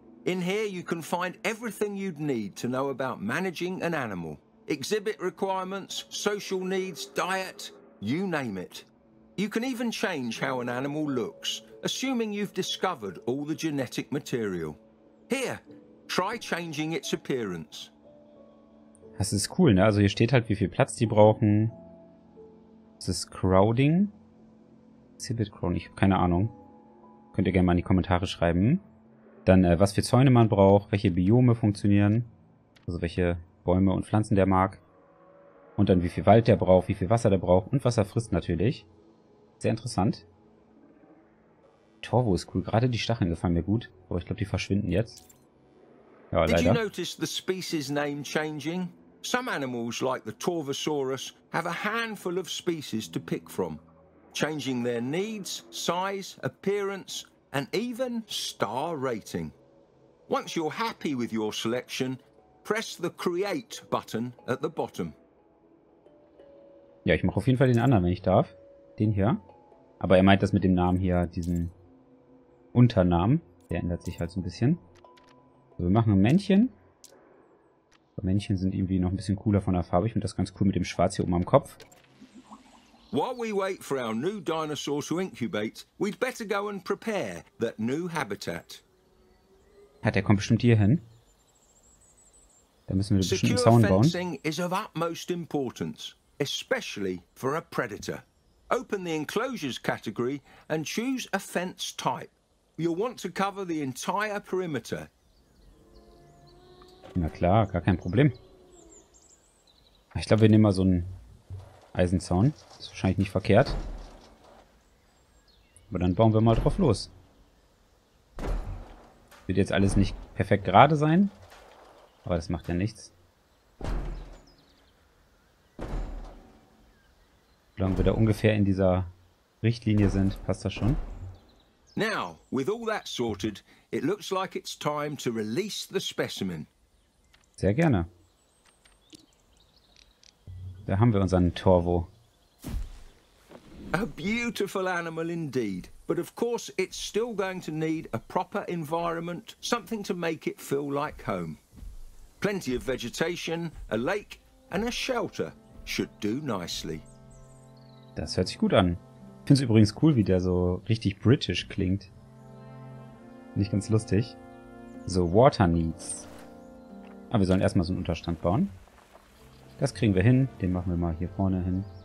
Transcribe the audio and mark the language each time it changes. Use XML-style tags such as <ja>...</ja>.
<en>In here you can find everything you'd need to know about managing an animal. Exhibit requirements, social needs, diet, you name it. You can even change how an animal looks, assuming you've discovered all the genetic material. Here, try changing its appearance.</en> <de>Das ist cool, ne? Also hier steht halt, wie viel Platz die brauchen. Das ist crowding. Ich habe keine Ahnung. Könnt ihr gerne mal in die Kommentare schreiben. Dann, was für Zäune man braucht, welche Biome funktionieren, also welche Bäume und Pflanzen der mag. Und dann, wie viel Wald der braucht, wie viel Wasser der braucht und was er frisst natürlich. Sehr interessant. Torvo ist cool. Gerade die Stacheln gefallen mir gut. Aber ich glaube, die verschwinden jetzt. Ja, leider.</de> <en>Did you notice the species name changing? Some animals, like the Torvosaurus, have a handful of species to pick from. Changing their needs, size, appearance, and even star rating. Once you're happy with your selection, press the Create button at the bottom.</en> <de>Ja, ich mache auf jeden Fall den anderen, wenn ich darf. Den hier. Aber er meint das mit dem Namen hier, diesen Unternamen. Der ändert sich halt so ein bisschen. Also wir machen ein Männchen. Aber Männchen sind irgendwie noch ein bisschen cooler von der Farbe. Ich finde das ganz cool mit dem Schwarz hier oben am Kopf.</de> <en>While we wait for our new dinosaur to incubate, we'd better go and prepare that new habitat.</en> <de>Ja, der kommt bestimmt hier hin. Da müssen wir bestimmt einen Zaun bauen.</de> <en>Fencing is of utmost importance, especially for a predator. Open the enclosures category and choose a fence type. You'll want to cover the entire perimeter.</en> <de>Na klar, gar kein Problem. Ich glaube, wir nehmen mal so einen Eisenzaun. Ist wahrscheinlich nicht verkehrt. Aber dann bauen wir mal drauf los. Wird jetzt alles nicht perfekt gerade sein. Aber das macht ja nichts. Solange wir da ungefähr in dieser Richtlinie sind, passt das schon.</de> <en>Now, with all that sorted, it looks like it's time to release the specimen.</en> <de>Sehr gerne. Da haben wir unseren Torvo.</de> <en>A beautiful animal indeed, but of course it's still going to need a proper environment, something to make it feel like home. Plenty of vegetation, a lake and a shelter should do nicely.</en> <de>Das hört sich gut an. Ich finde es übrigens cool, wie der so richtig britisch klingt. Nicht ganz lustig. So, Water Needs. Aber wir sollen erstmal so einen Unterstand bauen. Das kriegen wir hin. Den machen wir mal hier vorne hin.</de>